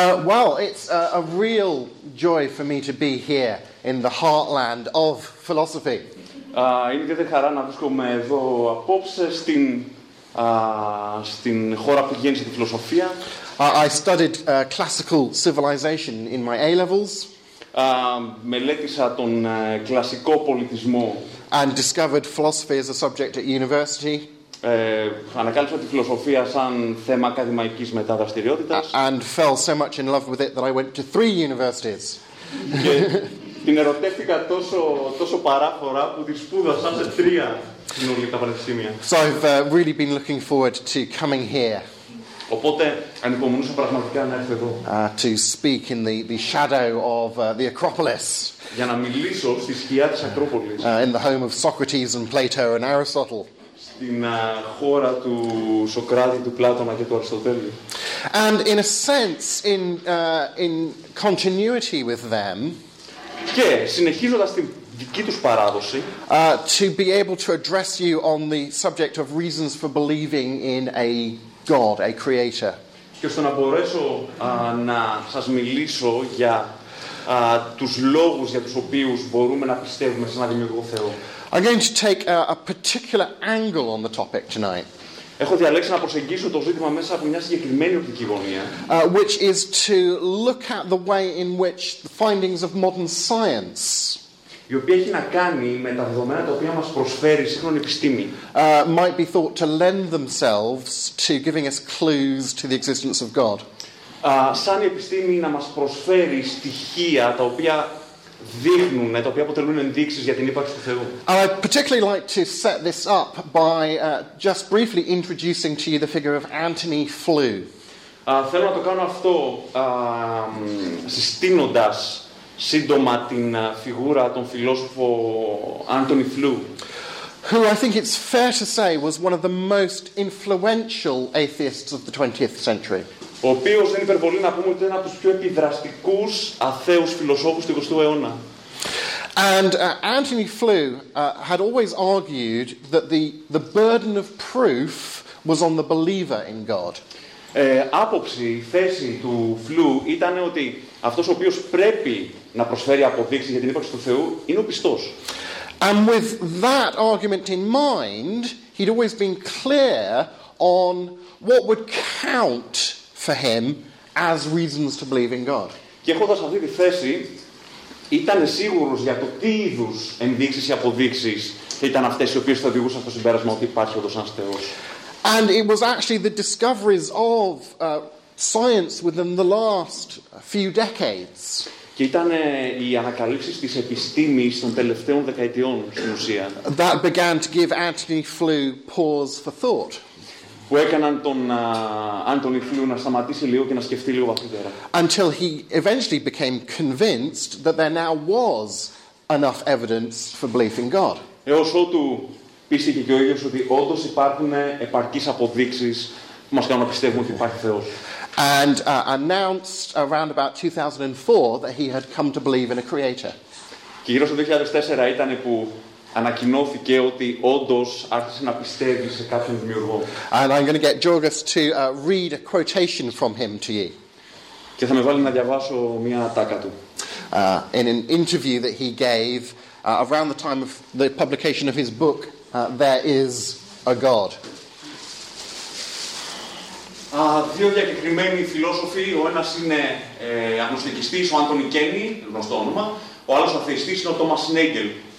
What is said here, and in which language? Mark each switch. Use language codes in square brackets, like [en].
[en] Well, it's a real joy for me to be here in the heartland of philosophy. [el] Είναι ιδιαίτερη χαρά να βρίσκομαι εδώ απόψε στην στην χώρα που γέννησε τη φιλοσοφία. [en] I studied classical civilization in my A levels. [el] Μελέτησα τον κλασικό πολιτισμό. [en] And discovered philosophy as a subject at university. [el] Ανακάλυψα τη φιλοσοφία σαν θέμα ακαδημαϊκής μεταδραστηριότητας. [en] And fell so much in love with it that I went to three universities. [el] Και την ερωτεύτηκα τόσο παράφορα που τη σπούδασα σε τρία καινούργια πανεπιστήμια. [en] So I've really been looking forward to coming here. [el] Οπότε ανυπομονούσα πραγματικά να έρθω εδώ. [en] To speak in the shadow of the Acropolis. [el] Για να μιλήσω στη σκιά της Ακρόπολης. [en] In the home of Socrates and Plato and Aristotle. [el] Στην χώρα του Σοκράτη, του Πλάτωνα και του Αριστοτέλη. [en] And in a sense, in continuity with them. [el] Και συνεχίζοντας την δική τους παράδοση. [en] To be able to address you on the subject of reasons for believing in a God, a creator. [el] Και ώστε να μπορέσω να σας μιλήσω για τους λόγους για τους οποίους μπορούμε να πιστεύουμε σε ένα δημιουργό Θεό. [en] I'm going to take a particular angle on the topic tonight. [el] Έχω διαλέξει να προσεγγίσω το ζήτημα μέσα από μια συγκεκριμένη οπτική γωνία. [en] Which is to look at the way in which the findings of modern science, [el] η οποία έχει να κάνει με τα δεδομένα τα οποία μας προσφέρει η σύγχρονη επιστήμη, [en] might be thought to lend themselves to giving us clues to the existence of God. [el] Σαν η επιστήμη να μας προσφέρει στοιχεία τα οποία δείχνουν, τα οποία αποτελούν ενδείξεις για την ύπαρξη του Θεού. [en] I'd particularly like to set this up by just briefly introducing to you the figure of Anthony Flew. [el] Θέλω να το κάνω αυτό συστήνοντας σύντομα την φιγούρα των φιλόσοφων Anthony Flew. [en] Who I think it's fair to say was one of the most influential atheists of the 20th century. [el] Ο οποίος δεν υπερβολεί να πούμε ότι είναι ένα από τους πιο επιδραστικούς αθέους φιλοσόφους του 20ου αιώνα. [en] And Anthony Flew had always argued that the burden of proof was on the believer in God. [el] Άποψη, θέση του Flew ήταν ότι αυτός ο οποίος πρέπει να προσφέρει αποδείξεις για την ύπαρξη του Θεού είναι ο πιστός. [en] And with that argument in mind, he'd always been clear on what would count for him as reasons to believe in God. [el] Και έχοντας αυτή τη θέση, ήταν σίγουρος για το τι είδους ενδείξεις ή αποδείξεις ήταν αυτές οι οποίες θα οδηγούσαν στο συμπέρασμα ότι υπάρχει όντως ένας Θεός. [en] And it was actually the discoveries of science within the last few decades. [el] Και ήταν οι ανακαλύψεις της επιστήμης των τελευταίων δεκαετιών στην ουσία. [en] That began to give Anthony Flew pause for thought. [el] Που έκαναν τον Anthony Flew να σταματήσει λίγο και να σκεφτεί λίγο βαθύτερα. [en] Until he eventually became convinced that there now was enough evidence for belief in God. [el] Έως ότου πίστηκε και ο ίδιος ότι όντως υπάρχουν επαρκείς αποδείξεις που μας κάνουν να πιστεύουμε ότι υπάρχει Θεός. [en] And announced around about 2004 that he had come to believe in a creator. [el] Και γύρω στο 2004 ήταν που ανακοινώθηκε ότι όντως άρχισε να πιστεύει σε κάποιον δημιουργό. [en] And I'm going to get Georgis to read a quotation from him to you. [el] Και θα με βάλει να διαβάσω μια τάκα του. [en] In an interview that he gave around the time of the publication of his book, There Is a God. [el] Δύο διακεκριμένοι φιλόσοφοι, ο ένας είναι αγνωστικιστής, ο Άντονι Κένι, γνωστό όνομα, ο άλλος ο αθεϊστής είναι ο Τόμας Σνέγκελ.